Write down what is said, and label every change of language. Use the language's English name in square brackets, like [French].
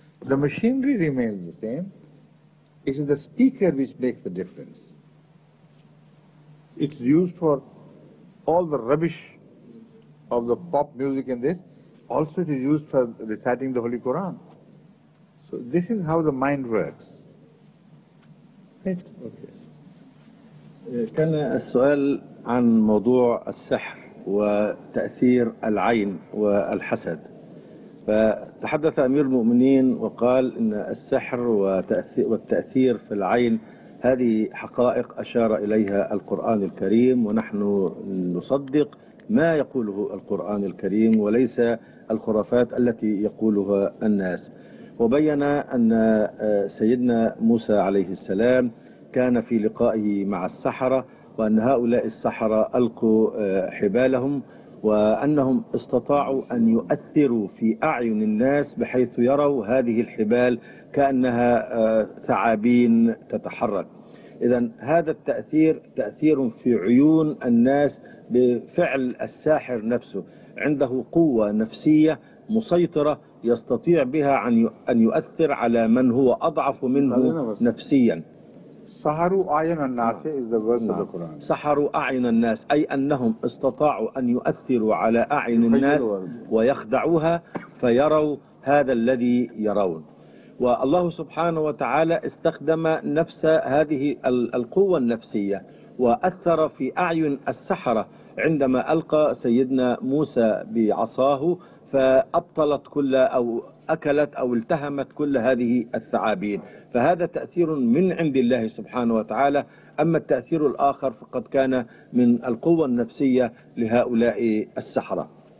[English] The machinery remains the same. It is the speaker which makes the difference. It's used for all the rubbish of the pop music and this. Also it is used for reciting the Holy Quran. So this is how the mind works. Right? Okay. [Arabic] كان السؤال عن موضوع السحر وتأثير العين والحسد. فتحدث أمير المؤمنين وقال إن السحر والتأثير في العين هذه حقائق أشار إليها القرآن الكريم ونحن نصدق ما يقوله القرآن الكريم وليس الخرافات التي يقولها الناس. وبين أن سيدنا موسى عليه السلام كان في لقائه مع السحرة وأن هؤلاء السحرة ألقوا حبالهم وأنهم استطاعوا أن يؤثروا في أعين الناس بحيث يروا هذه الحبال كأنها ثعابين تتحرك. إذن هذا التأثير تأثير في عيون الناس بفعل الساحر نفسه، عنده قوة نفسية مسيطرة يستطيع بها أن يؤثر على من هو أضعف منه نفسيا. سحروا أعين الناس [English] is the verse of the Quran. [Arabic] سحروا أعين الناس أي أنهم استطاعوا أن يؤثروا على أعين الناس ويخدعوها فيروا هذا الذي يرون. والله سبحانه وتعالى استخدم نفس هذه القوة النفسية وأثر في أعين السحرة عندما ألقى سيدنا موسى بعصاه فأبطلت كل أو أكلت أو التهمت كل هذه الثعابين، فهذا تأثير من عند الله سبحانه وتعالى، أما التأثير الآخر فقد كان من القوة النفسية لهؤلاء السحرة.